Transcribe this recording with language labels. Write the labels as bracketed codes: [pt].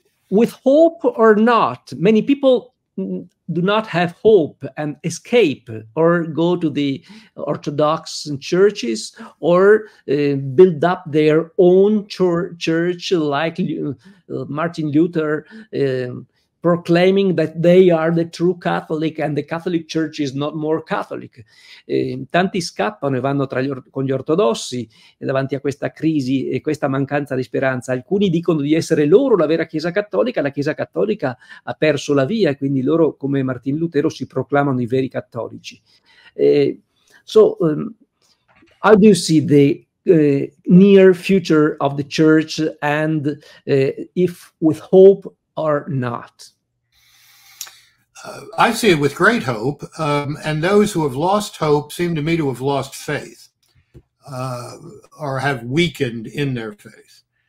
[en] With hope or not, many people do not have hope and escape or go to the Orthodox churches or build up their own church like Martin Luther proclaiming that they are the true Catholic and the Catholic Church is not more Catholic. [it] Tanti scappano e vanno tra con gli ortodossi davanti a questa crisi e questa mancanza di speranza. Alcuni dicono di essere loro la vera Chiesa Cattolica, la Chiesa Cattolica ha perso la via, quindi loro, come Martin Lutero, si proclamano i veri cattolici. [en] How do you see the near future of the Church and if with hope or not? I see it with great hope, and those who have lost hope seem to me to have lost faith or have weakened in their faith.